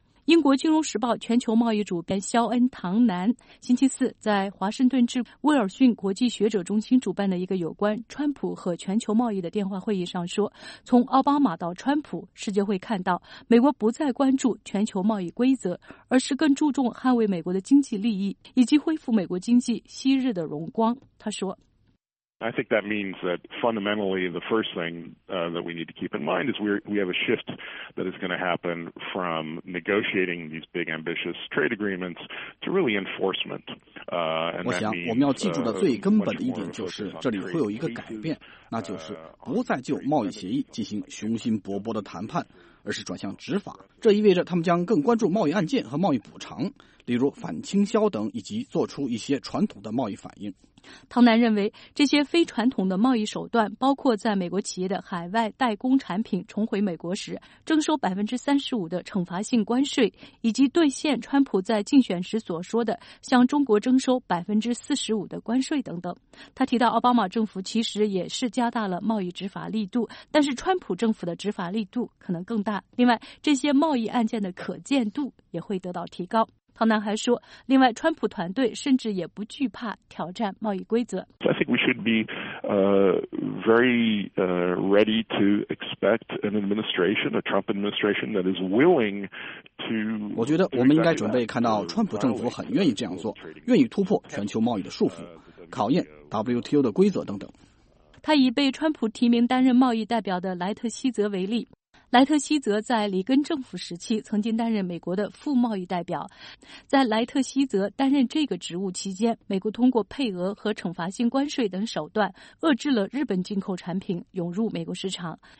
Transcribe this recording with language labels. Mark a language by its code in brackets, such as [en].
[zh] 英国金融时报全球贸易主编肖恩·唐南星期四在华盛顿至威尔逊国际学者中心主办的一个有关川普和全球贸易的电话会议上说，从奥巴马到川普，世界会看到美国不再关注全球贸易规则，而是更注重捍卫美国的经济利益以及恢复美国经济昔日的荣光。他说， [en] I think that means that fundamentally the first thing that we need to keep in mind is we have a shift that is going to happen from negotiating these big ambitious trade agreements to really enforcement. [zh] 我想我们要记住的最根本的一点就是这里会有一个改变，那就是不再就贸易协议进行雄心勃勃的谈判，而是转向执法。这意味着他们将更关注贸易案件和贸易补偿，例如反倾销等，以及做出一些传统的贸易反应。汤南认为，这些非传统的贸易手段包括在美国企业的海外代工产品重回美国时征收35%的惩罚性关税，以及兑现川普在竞选时所说的向中国征收45%的关税等等。他提到奥巴马政府其实也是加大了贸易执法力度，但是川普政府的执法力度可能更大，另外这些贸易案件的可见度也会得到提高。唐南还说，另外川普团队甚至也不惧怕挑战贸易规则。 [en] I think we should be ready to expect an administration, a Trump administration that is willing to. [zh] 我觉得我们应该准备看到川普政府很愿意这样做，愿意突破全球贸易的束缚，考验 WTO 的规则等等。他以被川普提名担任贸易代表的莱特希泽为例。莱特希泽在里根政府时期曾经担任美国的副贸易代表，在莱特希泽担任这个职务期间，美国通过配额和惩罚性关税等手段遏制了日本进口产品涌入美国市场。